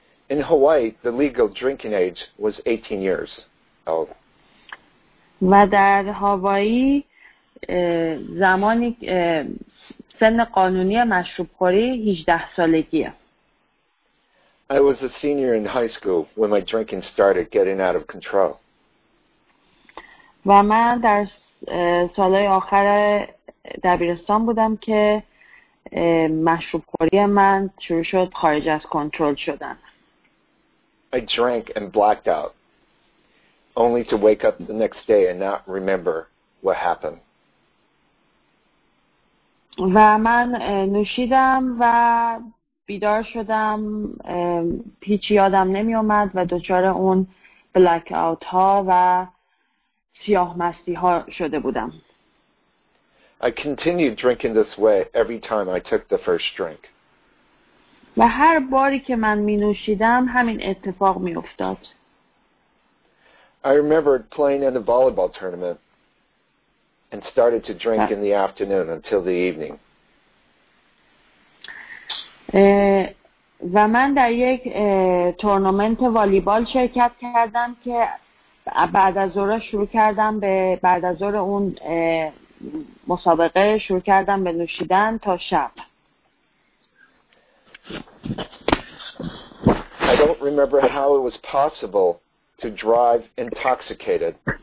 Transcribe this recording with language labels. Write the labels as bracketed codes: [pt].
[en] In Hawaii, the legal drinking age was 18 years old. [fa] و در هاوایی زمانی سن قانونی مشروب خوری 18 سالگیه. [en] I was a senior in high school when my drinking started getting out of control. [fa] و من در سالهای آخر دبیرستان بودم که مشروب خوری من شروع شد خارج از کنترل شدن. [en] I drank and blacked out, only to wake up the next day and not remember what happened. [fa] و من نوشیدم و بیدار شدم، هیچی یادم نمی اومد و دچار اون بلک آوت ها و سیاه مستی ها شده بودم. [en] I continued drinking this way every time I took the first drink. [fa] و هر باری که من می نوشیدم همین اتفاق می افتاد. [en] I remembered playing in a volleyball tournament and started to drink in the afternoon until the evening. [fa] و من در یک تورنمنت والیبال شرکت کردم که بعد از ظهر شروع کردم به بعد از ظهر اون مسابقه شروع کردم به نوشیدن تا شب. [en] I don't remember how it was possible to drive intoxicated.